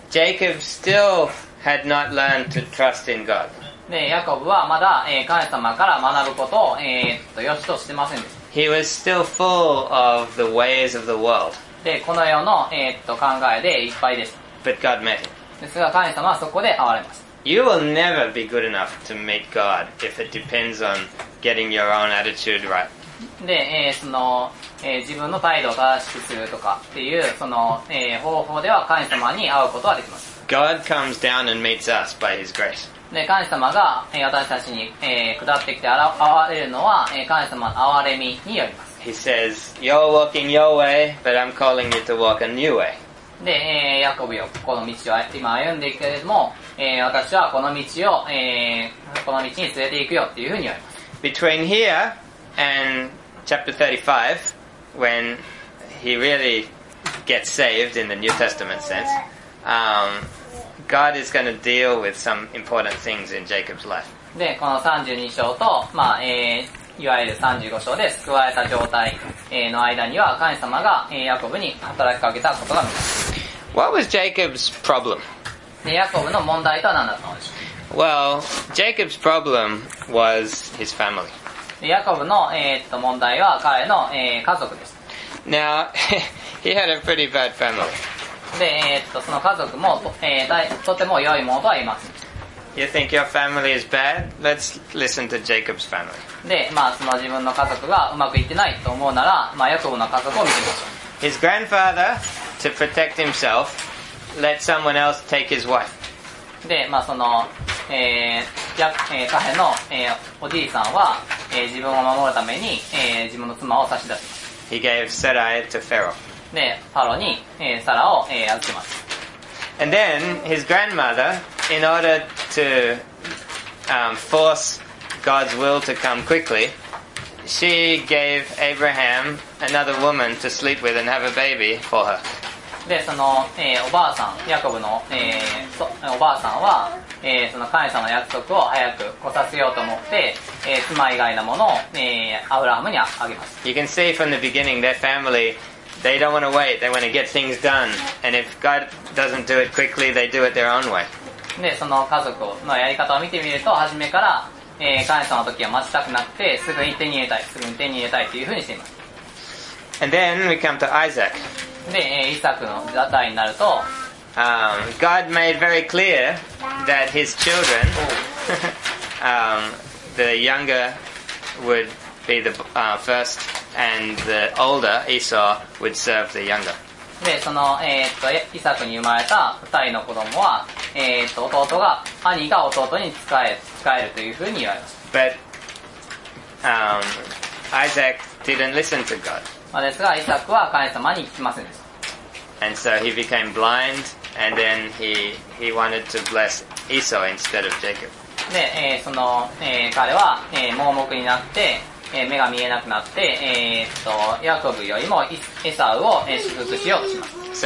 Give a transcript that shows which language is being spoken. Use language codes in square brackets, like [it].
[en] Jacob still had not learned to trust in God. [ja] でヤコブはまだ、神様から学ぶことを、良しとしてませんでした。 [en] He was still full of the ways of the world. [ja] でこの世の、考えでいっぱいです。 [en] But God met him. [ja] ですが神様はそこで会われます。 [en] You will never be good enough to meet God if it depends on getting your own attitude right. [ja] で、その、自分の態度を正しくするとかっていうその、方法では神様に会うことはできません。 [en] God comes down and meets us by His grace. [ja] で神様が私たちに、下ってきて現れるのは、神様の憐れみによります。 [en] He says, "You're walking your way, but I'm calling you to walk a new way." [ja] で、ヤコブよ、この道を今歩んでいくけれども、私はこの道を、この道に連れて行くよっていうふうに言います。 [en] Between here and chapter 35, when he really gets saved in the New Testament sense, God is going to deal with some important things in Jacob's life. [ja] で、この32章と、まあ、いわゆる35章で救われた状態、の間には、神様が、ヤコブに働きかけたことが見えます。 [en] What was Jacob's problem? [ja] で、ヤコブの問題とは何だったのでしょう? [en] Well, Jacob's problem was his family. [ja] で、ヤコブの、問題は彼の、家族です。 [en] Now, he had a pretty bad family. [ja] で、その家族も、とても良いものとは言います。 [en] You think your family is bad? Let's listen to Jacob's family. [ja] で、まあ、その自分の家族がうまくいってないと思うなら、まあ、ヤコブの家族を見てみましょう。 [en] His grandfather, to protect himself, let someone else take his wife. [ja] で、まあ、その、彼の、おじいさんは、自分を守るために、自分の妻を差し出す。 [en] He gave Sarai to Pharaoh. [ja] で、ファロに、サラを、預けます。 [en] And then, his grandmother, in order to, force God's will to come quickly, she gave Abraham another woman to sleep with and have a baby for her. [ja] で、その、おばあさん、ヤコブの、おばあさんは、その神様の約束を早く来させようと思って、妻以外のものを、アブラハムにあげます。 [en] You can see from the beginning, their family,They don't want to wait. They want to get things done. And if God doesn't do it quickly, they do it their own way. [ja] で、その家族のやり方を見てみると、初めから、神様の時は待ちたくなくて、すぐに手に入れたい、すぐに手に入れたいというふうにしています。 [en] And then we come to Isaac. [ja] で、イサクの時代になると、 [en] God made very clear that his children, the younger would be the first, and the older, Esau, would serve the younger. [ja] で、その、イサクに生まれた二人の子供は、弟が、兄が弟に使えるというふうに言われます。 [en] But, Isaac didn't listen to God. [ja] まあですが、イサクは神様に聞きませんでした。 [en] And so he became blind, and then he wanted to bless Esau instead of Jacob. [ja] で、その、彼は、盲目になって、目が見えなくなって、ヤコブよりもエサウを祝福しようとします。